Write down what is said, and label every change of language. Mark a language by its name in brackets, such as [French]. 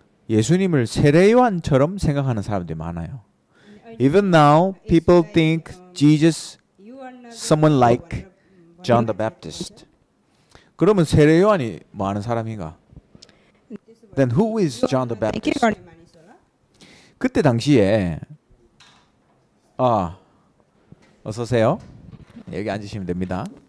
[Korean] 예수님을 세례 요한처럼 생각하는 사람들이 많아요. [English] Even now, people think Jesus someone like John the Baptist. [Korean] 그러면 세례 요한이 뭐 하는 사람인가? [English] Then who is John the Baptist? [Korean] 그때 당시에 어서 오세요. 여기 앉으시면 됩니다.